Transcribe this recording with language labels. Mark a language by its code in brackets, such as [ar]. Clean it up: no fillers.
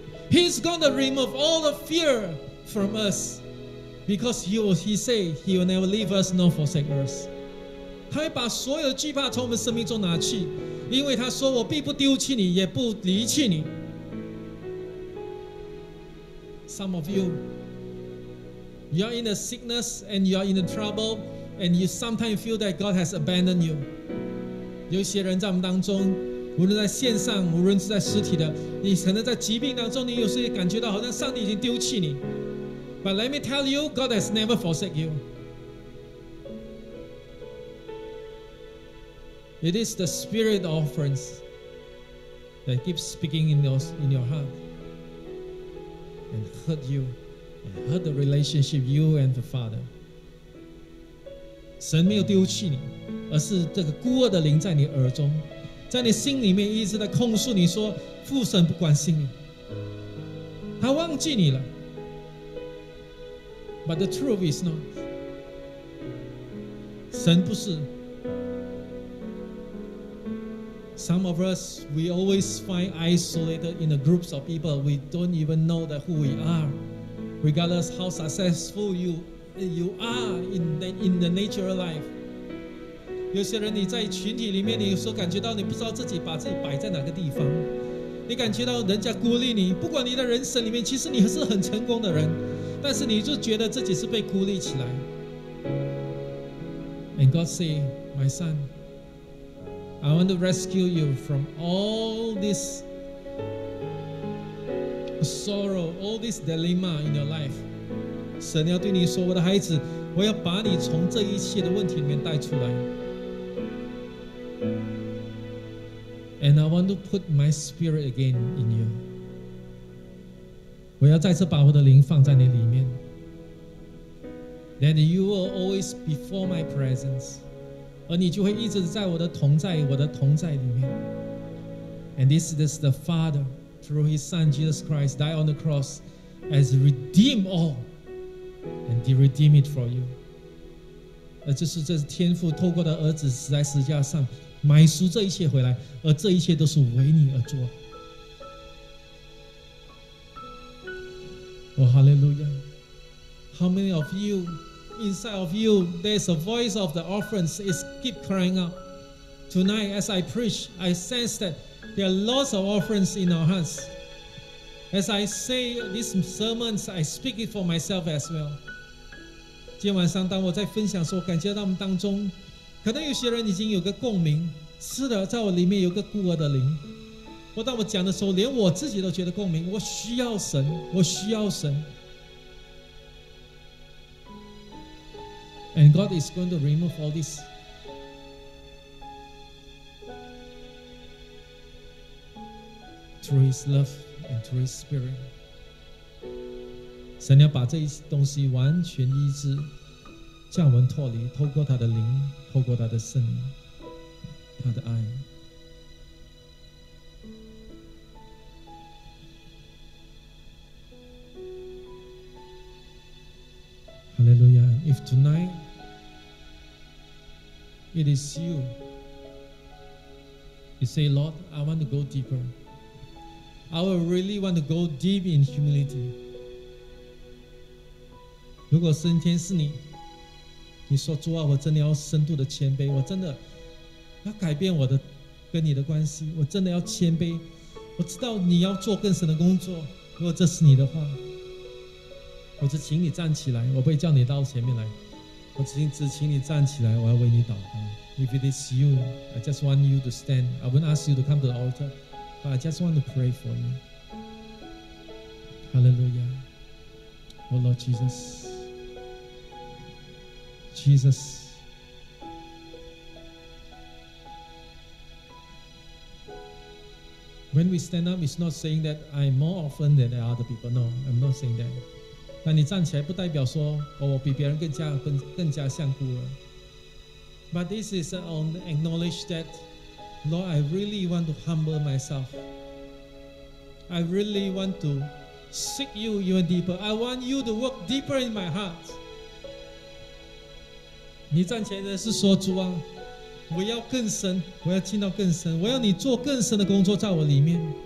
[en] He's going to remove all the fear from us, because he say he will never leave us nor forsake us. [zh] 他会把所有惧怕从我们生命中拿去，因为他说我必不丢弃你，也不离弃你。 [en] Some of you are in a sickness and you are in a trouble, and you sometimes feel that God has abandoned you. [zh] 有些人在我们当中，无论在线上，无论是在实体的，你可能在疾病当中，你有时也感觉到好像上帝已经丢弃你。 [en] But let me tell you, God has never forsaken you. It is the spirit of offerings that keeps speaking in your heart. And hurt you, and hurt the relationship you and the Father. [zh] 神没有丢弃你，而是这个孤儿的灵在你耳中，在你心里面一直在控诉你说，父神不关心你，他忘记你了。 [en] But the truth is not. [zh] 神不是。 [en] Some of us, we always find isolated in the groups of people. We don't even know that who we are. Regardless how successful you are in the natural life. [zh] 有些人你在群体里面，你有时候感觉到你不知道自己把自己摆在哪个地方。你感觉到人家孤立你，不管你的人生里面，其实你是很成功的人，但是你就觉得自己是被孤立起来。 [en] And God say, my son,I want to rescue you from all this sorrow, all this dilemma in your life. [zh] 神要对你说，我的孩子，我要把你从这一切的问题里面带出来。 [en] And I want to put my spirit again in you. [zh] 我要再次把我的灵放在你里面。 [en] Then you will always be before my presence. [zh] 而你就会一直在我的同在里面。 [en] And this is the Father through His Son Jesus Christ died on the cross as redeem all and He redeem it for you. [zh] 这是天父透过的儿子死在十字架上买赎这一切回来，而这一切都是为你而做。 [en] Oh, hallelujah. How many of youInside of you, there's a voice of the orphans is keep crying out. Tonight, as I preach, I sense that there are lots of orphans in our hearts. As I say these sermons, I speak it for myself as well. [zh] 今晚上当我在分享的时候，我感觉到我们当中，可能有些人已经有个共鸣。是的，在我里面有个孤儿的灵，我当我讲的时候，连我自己都觉得共鸣，我需要神，我需要神。 [en] And God is going to remove all this. Through His love and through His spirit. [zh] 神要把这些东西完全医治，叫我们脱离，透过他的灵，透过他的圣灵，他的爱。 [en] Hallelujah. If tonight,It is you. You say, Lord, I want to go deeper. I will really want to go deep in humility. [zh] 如果今天是你，你说主啊，我真的要深度的谦卑，我真的要改变我的跟你的关系，我真的要谦卑。我知道你要做更深的工作。如果这是你的话，我只请你站起来，我不会叫你到前面来。我只请你站起来，我要为你祷告。 [en] If it is you, I just want you to stand. I won't ask you to come to the altar, but I just want to pray for you. Hallelujah. Oh Lord Jesus. Jesus. When we stand up, it's not saying that I'm more often than the other people. No, I'm not saying that. [zh] 但你站起来不代表说、我比别人更加像孤儿。 [en] But this is an acknowledge that, Lord, I really want to humble myself. I really want to seek you even deeper. I want you to work deeper in my heart. [zh] 你站起来的是说主啊，我要更深，我要进到更深，我要你做更深的工作在我里面。